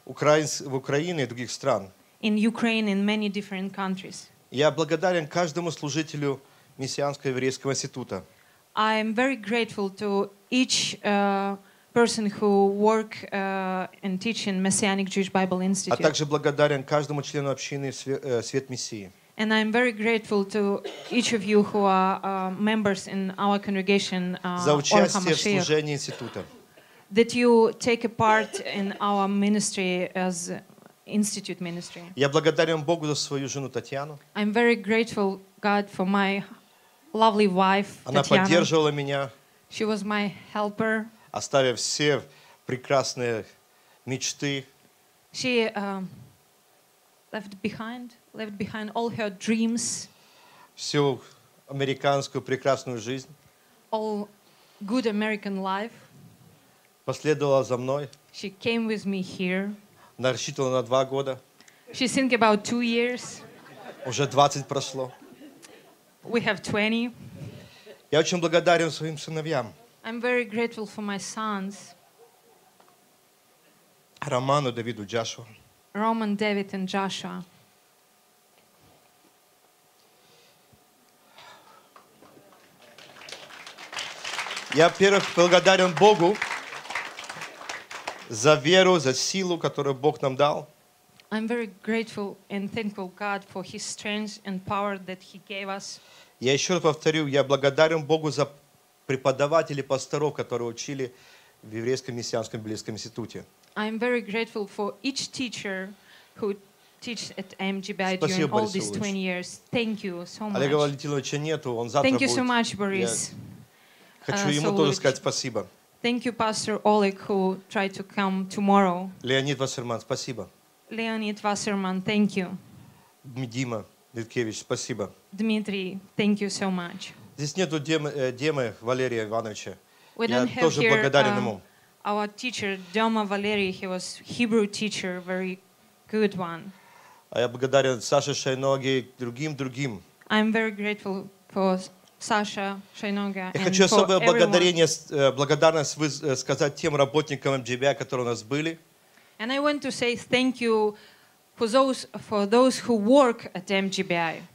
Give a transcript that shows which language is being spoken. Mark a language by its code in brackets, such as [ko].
[ru] В Украине и других стран. [en] In Ukraine, in many different countries. [ru] Я благодарен каждому служителю Мессианского еврейского института. [en] I am very grateful to each person who work and teach in Messianic Jewish Bible Institute. [ru] А также благодарен каждому члену общины Свет Мессии. [en] And I am very grateful to each of you who are members in our congregation. [ru] За участие в служении института. [en] That you take a part in our ministry as Institute ministry. [ru] Я благодарен Богу за свою жену Татьяну. [en] I am very grateful God for my lovely wife, [ru] Она Татьяна. Поддерживала меня. [en] She was my helper. [ru] Оставив все прекрасные мечты. [en] She left behind all her dreams. [ru] Всю американскую прекрасную жизнь. [en] All good American life. [ru] Последовала за мной. [en] She came with me here. [ru] Она рассчитывала на 2 года. [en] She's thinking about 2 years. [ru] Уже 20 прошло. [en] We have 20. [ru] Я очень благодарен своим сыновьям. [en] I'm very grateful for my sons. [ru] Роману, Давиду, Джошуа. [en] Roman, David, and Joshua. [ru] Я, во-первых, благодарен Богу за веру, за силу, которую Бог нам дал. [en] I'm very grateful and thankful God for His strength and power that He gave us. [ru] Я еще раз повторю, я благодарен Богу за преподавателей, пасторов, которые учили в Еврейском Мессианском Библейском Институте. [en] I'm very grateful for each teacher who teach at MGBI during all [ru] Борис [en] these 20 years. Thank you so much. [ru] Олега Валентиновича нету, он завтра [en] Thank [ru] будет. [en] You so much, Boris. [ru] Хочу ему тоже сказать спасибо. [en] Thank you, Pastor Oleg, who tried to come tomorrow. [ru] Леонид Вассерман, спасибо. [en] Леонид Вассерман, thank you. [ru] Дима Литкевич, спасибо. [en] Дмитрий, thank you so much. [ru] Здесь нету Демы Валерия Ивановича. [en] We [ru] Я тоже [en] here, [ru] благодарен ему. [en] Our teacher, Дема Валерий, he was Hebrew teacher, very good one. [ru] А я благодарен Саше Шайноге и другим. [en] I'm very grateful for Саша Шайнога. [ru] Я хочу особое благодарение, благодарность сказать тем работникам MGBI, которые у нас были. [en] And I want to say thank you for those who work at MGBI.